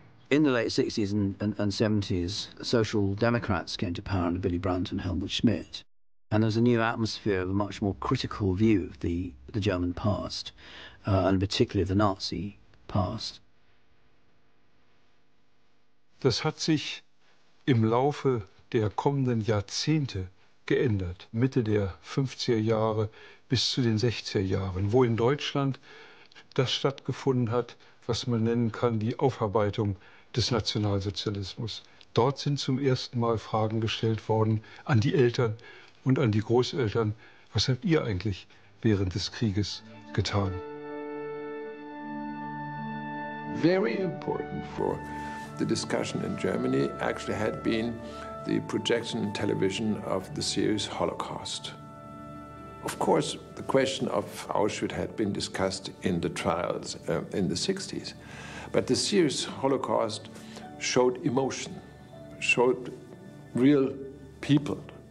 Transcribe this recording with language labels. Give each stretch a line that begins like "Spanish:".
English: In the late 60s and 70s, Social Democrats came to power under Willy Brandt and Helmut Schmidt. And there was a new atmosphere of a much more critical view of the German past, and particularly the Nazi past.
German: Das hat sich im Laufe der kommenden Jahrzehnte geändert, Mitte der 50er Jahre bis zu den 60er Jahren, wo in Deutschland das stattgefunden hat, was man nennen kann, die Aufarbeitung des Nationalsozialismus. Dort sind zum ersten Mal Fragen gestellt worden an die Eltern und an die Großeltern, was habt ihr eigentlich während des Krieges getan?
English: Very important for the discussion in Germany actually had been the projection on television of the series Holocaust. Of course, the question of Auschwitz had been discussed in the trials in the 60s, but the series Holocaust showed emotion, showed real people.